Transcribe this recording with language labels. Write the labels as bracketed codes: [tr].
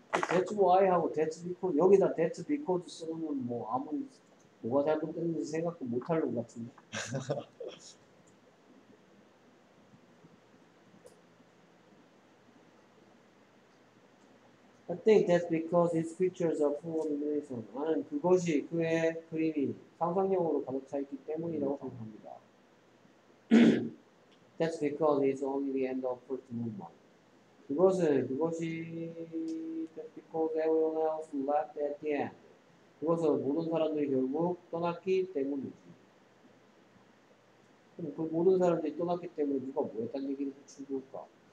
[en] That's why [ko] 하고 [en] That's because [ko] 여기다 [en] That's because [ko] 쓰면 뭐 아무리 뭐가 잘못됐는지 생각도 못할 것 같은데 [en] I think that's because his features are full of imagination. [ko] 나는 그것이 그의 그림이 상상력으로 가득 차 있기 때문이라고 생각합니다. [en] That's because it's only the end of first movement. [ko] 그것이 [en] that's because everyone else left at the end. [ko] 그것은 모든 사람들이 결국 떠났기 때문이지. 그럼 그 모든 사람들이 떠났기 때문에 누가 뭐 했다는 얘기를 해준 걸까?